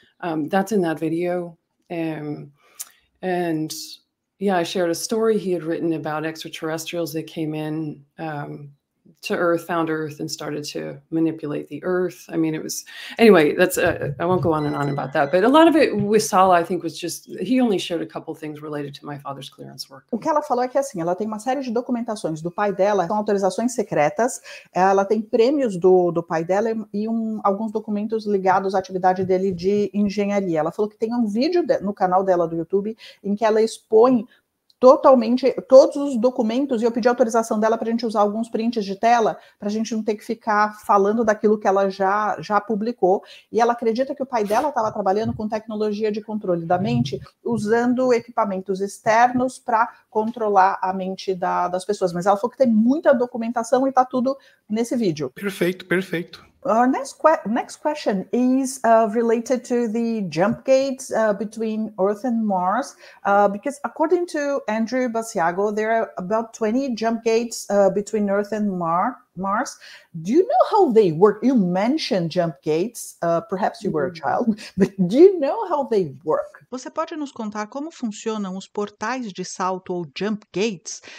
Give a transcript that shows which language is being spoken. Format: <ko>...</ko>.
<en>That's in that video. And yeah, I shared a story he had written about extraterrestrials that came in to Earth, found Earth, and started to manipulate the Earth. I mean, it was, anyway, that's, I won't go on and on about that, but a lot of it with Sala, I think, was just, he only shared a couple things related to my father's clearance work.</en> <pt>O que ela falou é que, assim, ela tem uma série de documentações do pai dela, são autorizações secretas, ela tem prêmios do pai dela e alguns documentos ligados à atividade dele de engenharia. Ela falou que tem um vídeo no canal dela do YouTube em que ela expõe totalmente, todos os documentos, e eu pedi autorização dela para a gente usar alguns prints de tela, para a gente não ter que ficar falando daquilo que ela já publicou, e ela acredita que o pai dela estava trabalhando com tecnologia de controle da mente, usando equipamentos externos para controlar a mente das pessoas, mas ela falou que tem muita documentação e está tudo nesse vídeo. Perfeito, perfeito.</pt> <en>Our next question is related to the jump gates between Earth and Mars, because according to Andrew Basiago, there are about 20 jump gates between Earth and Mars. Do you know how they work? You mentioned jump gates, perhaps you were a child, but do you know how they work?</en> <pt>Você pode nos contar como funcionam os portais de salto ou jump gates?</pt>